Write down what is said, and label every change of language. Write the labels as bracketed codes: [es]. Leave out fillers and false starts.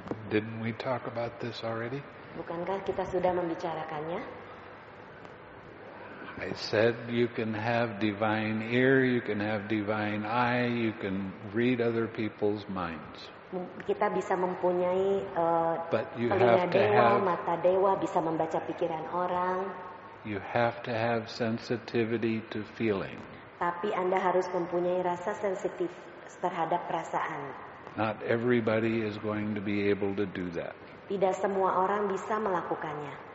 [en] Didn't we talk about this already? [id] Bukankah kita sudah membicarakannya? [en] I said you can have divine ear, you can have divine eye, you can read other people's minds. [id] Kita bisa mempunyai telinga dewa, mata dewa, bisa membaca pikiran orang. [en] You have to have sensitivity to feeling. [id] Tapi Anda harus mempunyai rasa sensitif terhadap perasaan. [en] Not everybody is going to be able to do that. [id] Tidak semua orang bisa melakukannya.